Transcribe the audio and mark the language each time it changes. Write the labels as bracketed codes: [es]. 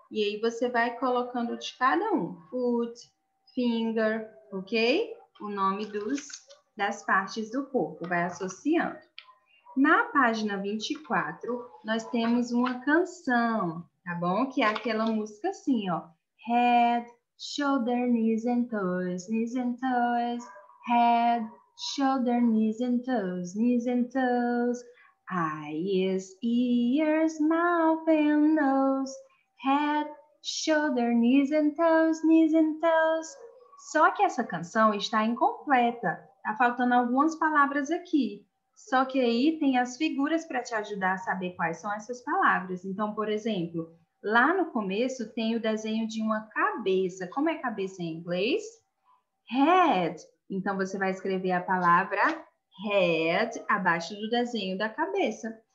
[pt] E aí você vai colocando de cada um, foot, finger, ok? O nome das partes do corpo, vai associando. Na página 24, nós temos uma canção, tá bom? Que é aquela música assim, ó. [en] Head, shoulder, knees and toes, knees and toes. Head, shoulder, knees and toes. Eyes, ears, mouth and nose. Head, shoulder, knees and toes. [pt] Só que essa canção está incompleta. Tá faltando algumas palavras aqui. Só que aí tem as figuras para te ajudar a saber quais são essas palavras. Então, por exemplo, lá no começo tem o desenho de uma cabeça. Como é cabeça em inglês? Head. Então, você vai escrever a palavra head abaixo do desenho da cabeça.